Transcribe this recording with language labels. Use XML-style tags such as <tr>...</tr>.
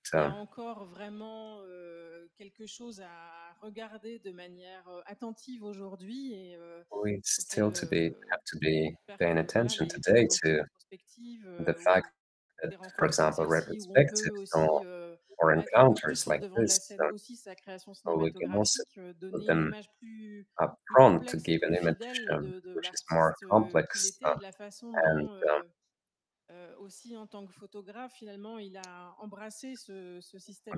<fr>encore vraiment quelque chose à regarder de manière attentive aujourd'hui et</fr> <en>we still to be have to be paying attention today to the fact that for example retrospectives or encounters like this we can also put them up front to give an image which is more complex and</en> <fr>aussi en tant que photographe finalement il a embrassé ce système</fr>